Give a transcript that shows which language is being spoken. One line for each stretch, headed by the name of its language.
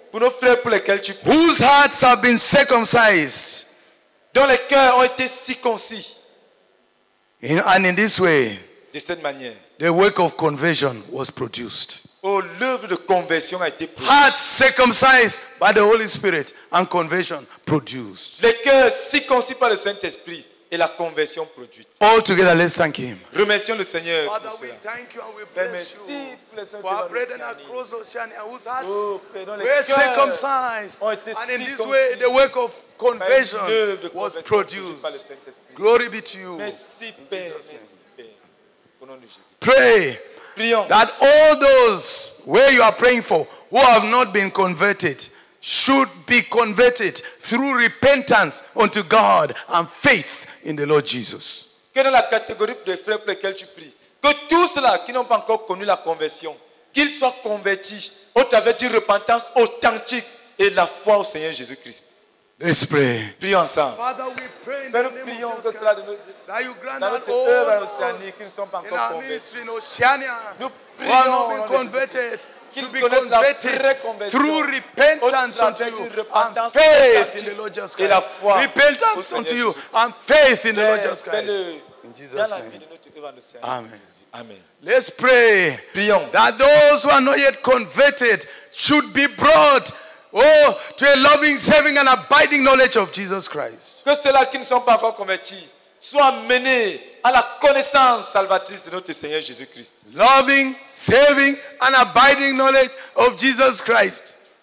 English: whose hearts have been circumcised,
French: dont les cœurs ont été circoncis.
English: And in this way,
French: de cette manière,
English: the work of conversion was produced.
French: Oh, l'œuvre de conversion a été produite.
English: Hearts circumcised by the Holy Spirit and conversion produced.
French: Les cœurs circoncis par le Saint-Esprit et la conversion produite.
English: All together, let's thank him.
French: Remercions le Seigneur.
English: Father, we thank you and we bless you. For our brethren across Oceania whose hearts were circumcised. And in this way, the work of conversion was produced. Glory be to you.
French: Merci, Père.
English: Pray
French: Prions.
English: That all those where you are praying for who have not been converted should be converted through repentance unto God and faith in the Lord Jesus.
French: Que dans la catégorie des frères pour lesquels tu pries, que tous ceux-là qui n'ont pas encore connu la conversion, qu'ils soient convertis au travers d'une repentance authentique et la foi au Seigneur Jésus-Christ.
English: Let's pray.
French: Prions ensemble.
English: Father, we pray in the name of Jesus that you grant that all those in our ministry in Oceania who have not been converted to be converted through repentance unto you and faith in the Lord Jesus Christ. Repentance unto you and faith in the Lord Jesus Christ. In Jesus' name. Amen. Amen. Let's pray
French: Prions.
English: That those who are not yet converted should be brought to a loving, saving, and abiding knowledge of Jesus Christ.
French: Que ceux-là qui ne sont pas encore convertis soient menés à la connaissance salvatrice de notre Seigneur Jésus Christ.
English: Loving, saving, and abiding knowledge of Jesus Christ.